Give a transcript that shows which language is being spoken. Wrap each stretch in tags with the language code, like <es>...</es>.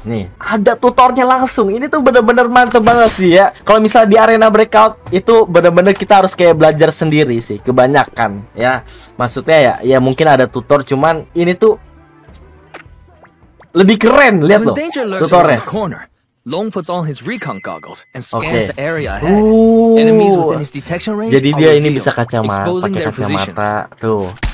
<id>Nih, ada tutornya langsung. Ini tuh bener-bener mantep banget sih ya. Kalau misalnya di arena breakout itu bener-bener kita harus kayak belajar sendiri sih kebanyakan ya. Maksudnya ya, ya mungkin ada tutor, cuman ini tuh lebih keren, lihat loh tutornya.</id> <en>Long puts on his recon goggles and scans the area ahead. Enemies within his detection range.</en> <id>Jadi dia ini bisa kacamata, pakai kacamata tuh.</id>